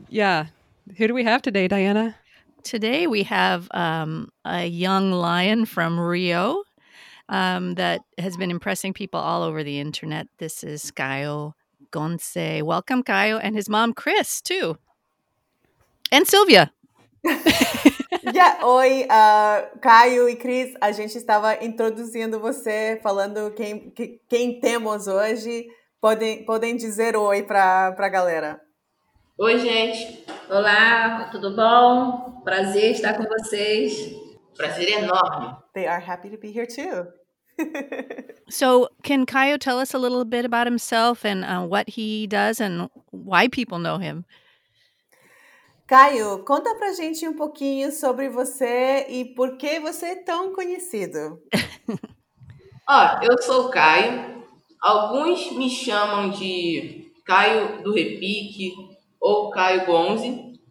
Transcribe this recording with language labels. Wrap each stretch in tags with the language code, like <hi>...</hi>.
<en>Yeah. Who do we have today, Diana? Today we have a young lion from Rio that has been impressing people all over the internet. This is Caio Gonce. Welcome, Caio, and his mom, Chris, too. And Sylvia.</en> <pt>Yeah, oi, Caio e Cris, a gente estava introduzindo você, falando quem temos hoje, podem dizer oi para a galera. Oi, gente, olá, tudo bom? Prazer estar com vocês. Prazer enorme.</pt> <en>They are happy to be here too. So, can Caio tell us a little bit about himself and what he does and why people know him?</en> <pt>Caio, conta pra gente um pouquinho sobre você e por que você é tão conhecido. Ó, eu sou o Caio. Alguns me chamam de Caio do Repique ou Caio Gonze.</pt>